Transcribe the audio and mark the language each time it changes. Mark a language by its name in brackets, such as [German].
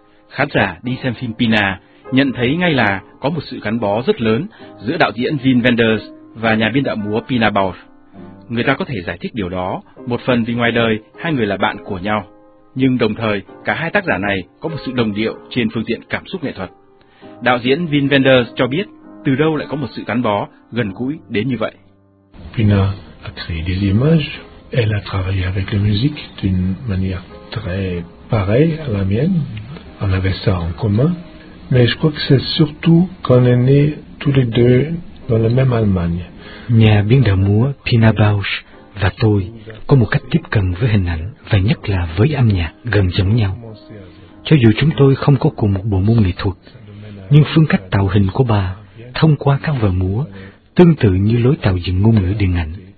[Vietnamese] Khán giả đi xem phim Pina nhận thấy ngay là có một sự gắn bó rất lớn giữa đạo diễn Wim Wenders và nhà biên đạo múa Pina Bausch. Người ta có thể giải thích điều đó một phần vì ngoài đời hai người là bạn của nhau. Nhưng đồng thời, cả hai tác giả này có một sự đồng điệu trên phương diện cảm xúc nghệ thuật. Đạo diễn Wim Wenders cho biết, từ đâu lại có một sự gắn bó gần gũi đến như vậy. [French] Pina a créé des images, elle a travaillé avec la musique d'une manière très pareille à la mienne. On avait ça en commun, mais je crois que c'est surtout qu'on est nés tous les deux dans la même Allemagne. [Vietnamese] Nhà biên đạo múa Pina Bausch và tôi có một cách tiếp cận với hình ảnh và nhất là với âm nhạc gần giống nhau. Cho dù chúng tôi không có cùng một bộ môn nghệ thuật, nhưng phương cách tạo hình của bà thông qua các vở múa tương tự như lối tạo dựng ngôn ngữ điện ảnh.